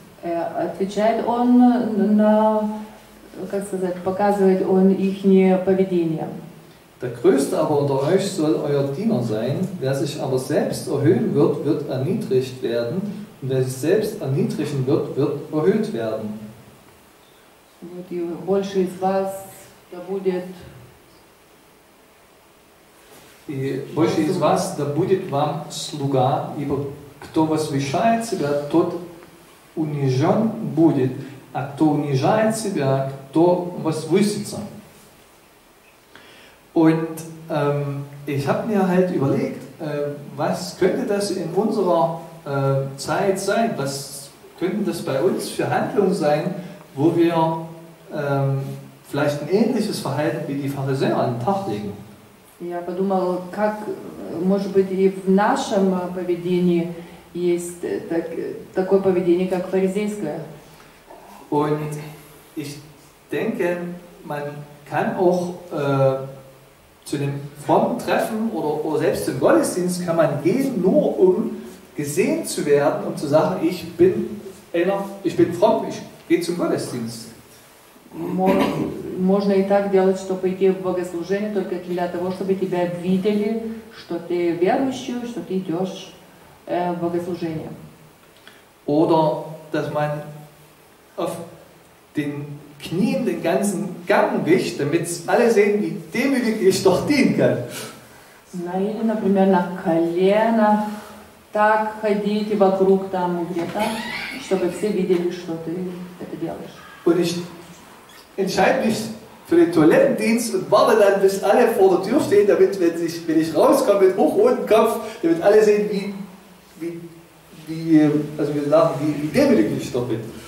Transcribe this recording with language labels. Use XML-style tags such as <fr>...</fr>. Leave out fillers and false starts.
<de>Er</de> <ru>отвечает он на, как сказать, показывает он ихнее поведение.</ru> <de>Der Größte aber unter euch soll euer Diener sein, wer sich aber selbst erhöhen wird, wird erniedrigt werden, und wer sich selbst erniedrigen wird, wird erhöht werden. Die</de> <ru>Больше из вас,</ru> <de>da</de> <ru>будет...</ru> <de>Die</de> <ru>Больше из вас,</ru> <de>da</de> <ru>будет вам слуга, ибо кто возвышает себя, тот унижен будет, а кто унижает себя, кто возвысится.</ru> <de>Und ich habe mir halt überlegt, was könnte das in unserer Zeit sein? Was könnte das bei uns für Handlungen sein, wo wir vielleicht ein ähnliches Verhalten wie die Pharisäer an den Tag legen?</de> <ru>Я подумал, как, может быть, и в нашем поведении есть такое поведение, как фаризейское?</ru> <de>Und ich denke, man kann auch zu dem frommen Treffen oder selbst zum Gottesdienst kann man gehen, nur um gesehen zu werden und zu sagen, ich bin fromm, ich gehe zum Gottesdienst.</de> <ru>Можно и так делать, чтобы идти в богослужение только для того, чтобы тебя видели, что ты верующий, что ты идешь в богослужение.</ru> <de>Oder dass man auf den Knien den ganzen Gang wisch, damit alle sehen, wie demütig ich doch dienen kann. Nein,</de> <ru>например, на коленях так ходить вокруг там где-то, чтобы все видели, что ты это делаешь.</ru> <de>Und ich entscheide mich für den Toilettendienst und warte dann, bis alle vor der Tür stehen, damit, wenn ich rauskomme mit hochrotem Kopf, damit alle sehen, wie demütig ich doch bin.</de>